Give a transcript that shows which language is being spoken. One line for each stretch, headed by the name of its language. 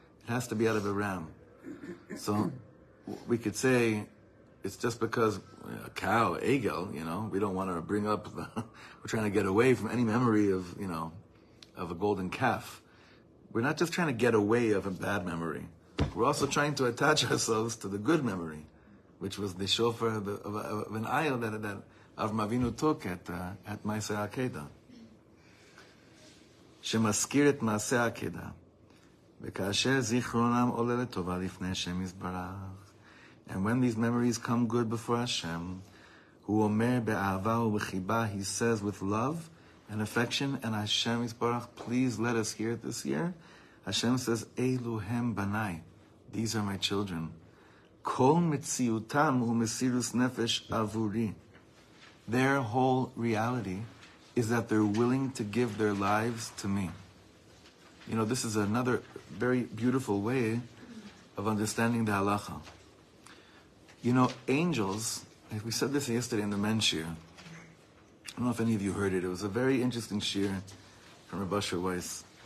English: It has to be out of a ram. So we could say it's just because a cow, egel, you know, we don't want to bring up, we're trying to get away from any memory of, you know, of a golden calf. We're not just trying to get away of a bad memory. We're also trying to attach ourselves to the good memory, which was the shofar of an ayil that Avraham Avinu took at Ma'aseh HaKedah.
Hebrew: שמזכיר את מעשה העקדה, וכאשר זיכרונם עולה לטובה לפני השם יזברך.
English: And when these memories come good before Hashem,
Hebrew: הוא אומר באהבה ובחיבה,
English: he says with love and affection, and Hashem יזברך, please let us hear it this year. Hashem says,
Hebrew: אלו הם בני,
English: these are my children.
Hebrew: כל מציאותם הוא מסירוס נפש עבורי.
English: Their whole reality is that they're willing to give their lives to me. You know, this is another very beautiful way of understanding the halacha. You know, angels, like we said this yesterday in the men's shir, I don't know if any of you heard it, it was a very interesting shir from Rav Asher Weiss.